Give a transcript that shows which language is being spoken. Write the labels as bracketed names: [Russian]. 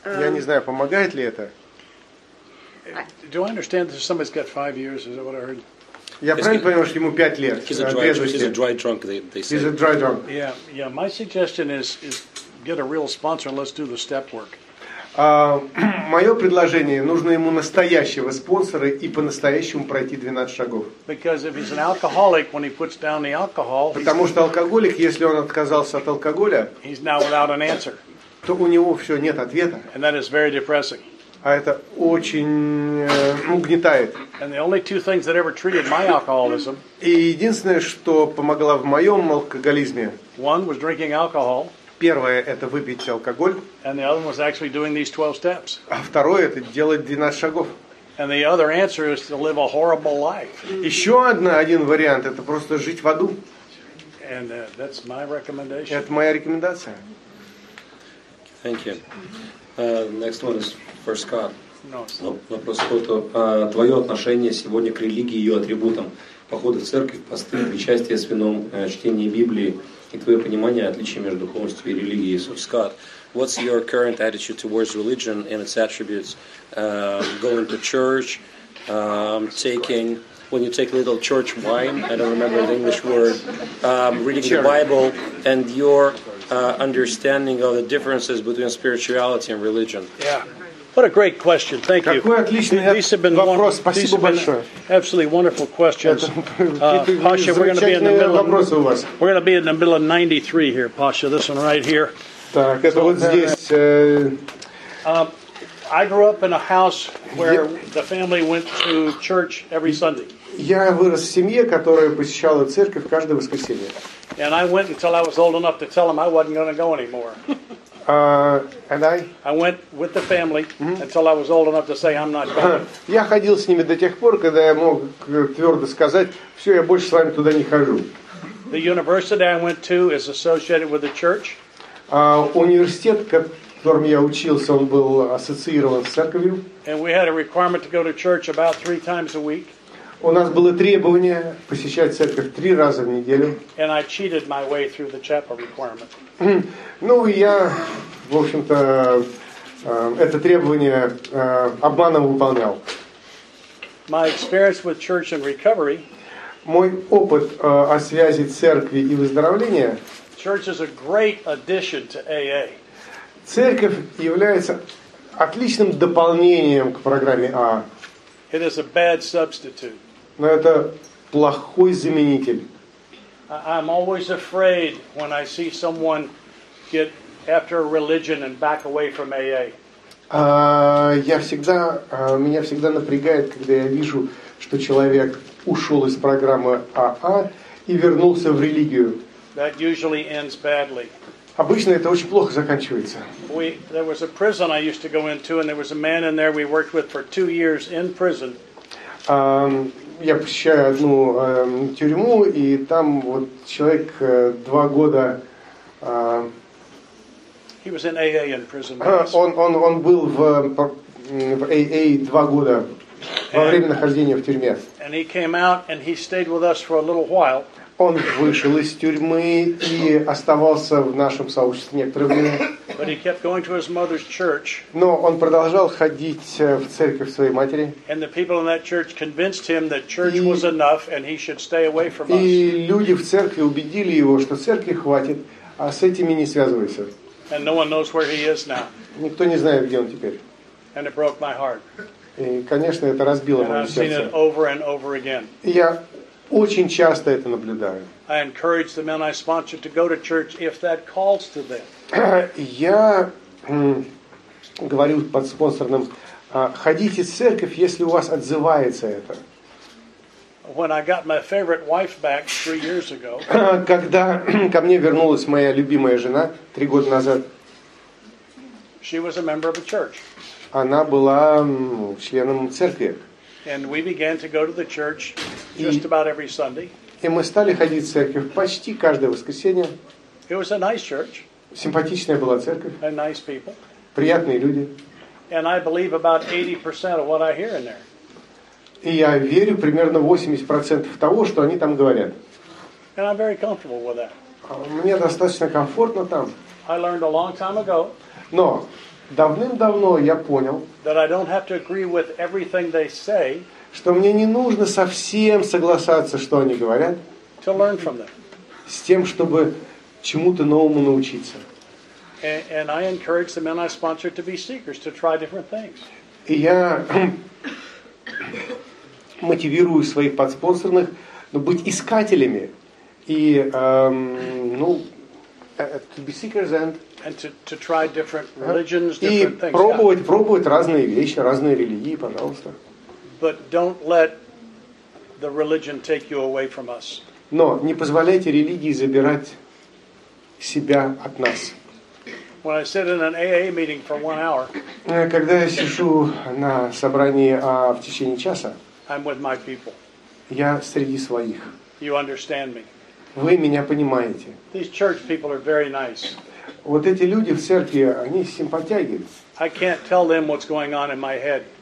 [Russian] Я не знаю, помогает ли это. [English] Do I understand that somebody's got 5 years? Is that what I heard? [Russian] Я правильно понимаю, что ему 5 лет? [English] He's a dry drunk. They said. He's a dry drunk. Yeah. My suggestion is get a real sponsor and let's do the step work. [Russian] Мое предложение: нужно ему настоящего спонсора и по-настоящему пройти 12 шагов. [English] Because if he's an alcoholic, when he puts down the alcohol. [Russian] Потому что алкоголик, если он отказался от алкоголя. [English] He's now without an answer. [Russian] То у него все, нет ответа. [English] And that is very depressing. [Russian] А это очень угнетает. [English] And the only two things that ever treated my alcoholism. [Russian] И единственное, что помогало в моем алкоголизме. [English] One was drinking alcohol. [Russian] Первое – это выпить алкоголь. [English] And the other was actually doing these 12 steps. [Russian] А второе – это делать 12 шагов. [English] And the other answer is to live a horrible life. [Russian] Еще один вариант – это просто жить в аду. [English] And that's my recommendation. [Russian] Это моя рекомендация. [English] Thank you. Next one is for Scott. No. [Russian] Вопрос Скотту. Твое отношение сегодня к религии и ее атрибутам? Походы в церковь, посты, причастие с вином, чтение Библии и твое понимание отличия между духовностью и религией? [English] So, Scott, what's your current attitude towards religion and its attributes? Going to church, taking... When you take a little church wine, I don't remember the English word, reading the Bible, and your understanding of the differences between spirituality and religion. Yeah, what a great question! Thank you. These have been absolutely wonderful questions. Pasha, we're going to be in the middle. We're going to be in the middle of 93 here, Pasha. This one right here. [Russian] Так, это вот здесь. [English] I grew up in a house where the family went to church every Sunday. [Russian] Я вырос в семье, которая посещала церковь каждое воскресенье. [English] And I went until I was old enough to tell them I wasn't going to go anymore. And I? I went with the family until I was old enough to say I'm not going. [Russian] Я ходил с ними до тех пор, когда я мог твердо сказать, все, я больше с вами туда не хожу. [English] The university I went to is associated with the church. [Russian] Университет, в котором я учился, он был ассоциирован с церковью. [English] And we had a requirement to go to church about three times a week. [Russian] У нас было требование посещать церковь три раза в неделю. [English] And I cheated my way through the chapel requirement. [Russian] Ну, я, в общем-то, это требование обманом выполнял. [English] My experience with church and recovery. [Russian] Мой опыт о связи церкви и выздоровления. [English] Church is a great addition to AA. [Russian] Церковь является отличным дополнением к программе АА. [English] It is a bad substitute. [Russian] Но это плохой заменитель. [English] I'm always afraid when I see someone get after a religion and back away from AA. [Russian] Меня всегда напрягает, когда я вижу, что человек ушел из программы АА и вернулся в религию. [English] That usually ends badly. [Russian] Обычно это очень плохо заканчивается. [English] There was a prison I used to go into, and there was a man in there we worked with for 2 years in prison. [Russian] Я посещаю одну тюрьму, и там вот человек два года. [English] He was in AA in prison. [Russian] Он был в AA два года во время нахождения в тюрьме. [English] And he came out and he stayed with us for a little while. [Russian] Он вышел из тюрьмы и оставался в нашем сообществе некоторое время. [English] But he kept going to his mother's church. [Russian] Но он продолжал ходить в церковь своей матери. [English] And the people in that church convinced him that church was enough and he should stay away from us. [Russian] И люди в церкви убедили его, что церкви хватит, а с этими не связывайся. [English] And no one knows where he is now. [Russian] Никто не знает, где он теперь. [English] And it broke my heart. [Russian] И, конечно, это разбило мое сердце. [English] And I've seen it over and over again. [Russian] Я очень часто это наблюдаю. [English] I encourage the men I sponsor to go to church if that calls to them. [Russian] Я говорю под спонсорным, ходите в церковь, если у вас отзывается это. [English] When I got my favorite wife back 3 years ago. [Russian] Когда ко мне вернулась моя любимая жена 3 года назад. [English] She was a member of a church. [Russian] Она была членом церкви. [English] And we began to go to the church just about every Sunday. [Russian] И мы стали ходить в церковь почти каждое воскресенье. [English] It was a nice church. [Russian] Симпатичная была церковь. [English] And nice people. [Russian] Приятные люди. [English] And I believe about 80% of what I hear in there. [Russian] И я верю примерно 80% того, что они там говорят. [English] And I'm very comfortable with that. [Russian] Мне достаточно комфортно там. [English] I learned a long time ago. [Russian] Но давным-давно я понял, [English] that I don't have to agree with everything they say, [Russian] что мне не нужно совсем согласаться, что они говорят, [English] to learn from them. [Russian] С тем, чтобы чему-то новому научиться. [English] And I encourage the men I sponsor to be seekers, to try different things. [Russian] И я мотивирую своих подспонсорных, ну, быть искателями и, [English] to be seekers and to try different religions, [Russian] и [English] different things. [Russian] Пробовать разные вещи, разные религии, пожалуйста. [English] But don't let the religion take you away from us. [Russian] Но не позволяйте религии забирать себя от нас. [English] When I sit in an AA meeting for 1 hour, [Russian] когда я сижу на собрании в течение часа, [English] I'm with my people. [Russian] Я среди своих. [English] You understand me. [Russian] Вы меня понимаете. [English] These church people are very nice. [Russian] Вот эти люди в церкви, они симпатяги. [English] I can't tell them what's going on in my head.